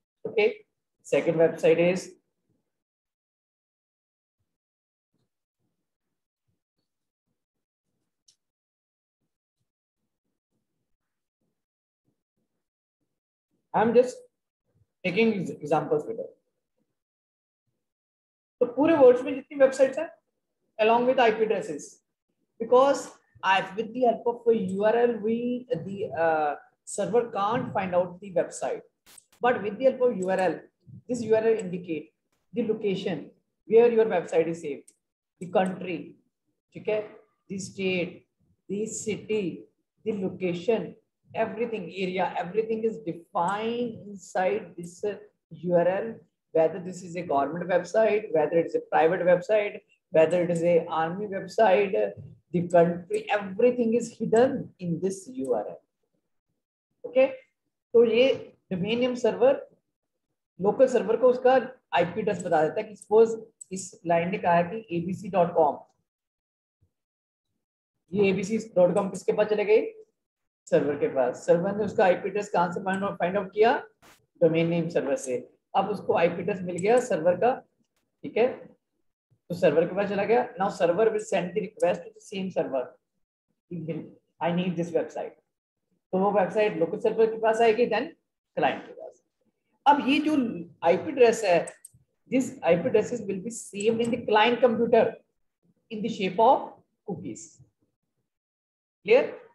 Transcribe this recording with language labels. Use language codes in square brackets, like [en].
[en] Okay, second website is I'm just taking examples with it. [hi] तो पूरे world में जितनी वेबसाइट्स हैं, [en] along with IP addresses, because I, with the help of a URL, we the server can't find out the website, but with the help of URL, this URL indicate the location where your website is saved, the country, ठीक है, the state, the city, the location. Everything area, everything is defined inside this URL, whether this is a government website, whether it's a private website, whether it is a army website, the country, everything is hidden in this URL. [hi] Okay, so ye domain name server local server ko uska IP address bata deta hai ki suppose is line ne kaha hai ki abc.com, ye abc.com kiske paas chale gaye, server के पास, server ने उसका IP address कहां से find out किया, domain name server से। अब उसको IP address मिल गया सर्वर का, ठीक है, तो सर्वर के पास चला गया। [en] now server will send the request to the same server, I need this website, [hi] तो वो वेबसाइट लोकल सर्वर के पास आएगी, [en] Then client के पास। [hi] अब ये जो आईपी एड्रेस है, [en] This IP address will be saved in the client computer in the shape of cookies, clear.